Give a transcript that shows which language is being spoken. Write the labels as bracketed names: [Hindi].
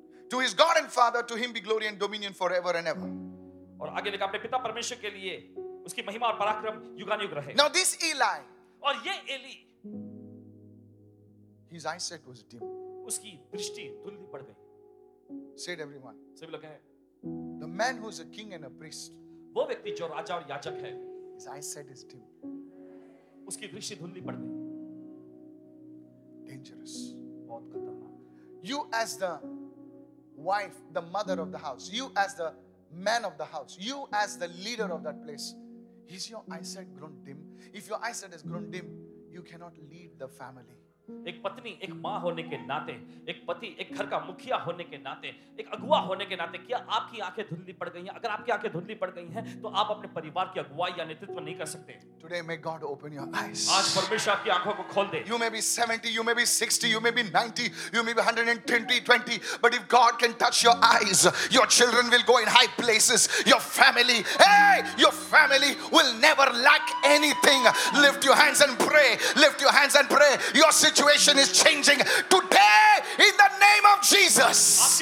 [English] To his God and Father, to him be glory and dominion forever and ever. [Hindi] और आगे लिखा अपने पिता परमेश्वर के लिए उसकी महिमा और पराक्रम युगानुयुग रहे. [English] Now this Eli. [Hindi] और ये Eli, [English] his eyesight was dim. [Hindi] उसकी दृष्टि धुंधली पड़ गई. [English] Said everyone. [Hindi] सभी लोग कहें. [English] The man who is a king and a priest. [Hindi] वो व्यक्ति जो राजा और याचक है. [English] His eyesight is dim. [Hindi] उसकी दृष्टि धुंधली पड़ गई. [English] Dangerous. [Hindi] बहुत खतरनाक. [English] You as the wife, the mother of the house. You as the man of the house. You as the leader of that place. Is your eyesight grown dim? If your eyesight has grown dim, you cannot lead the family. [Hindi] एक पत्नी, एक माँ होने के नाते, एक पति, एक घर का मुखिया होने के नाते, एक अगुआ होने के नाते, क्या आपकी आंखें धुंधली पड़ गई हैं? अगर आपकी आंखें धुंधली पड़ गई हैं, तो आप अपने परिवार की अगुवाई या नेतृत्व नहीं कर सकते. [English] Today may God open your eyes. [Hindi] आज परमेश्वर आपकी आंखों को खोल दे. [English] You may be 70, you may be 60, you may be 90, you may be 120, 20, but if God can touch your eyes, your children will go in high places. Your family will never lack anything. Lift your hands and pray. Lift your hands and pray. Your situation is changing today in the name of Jesus.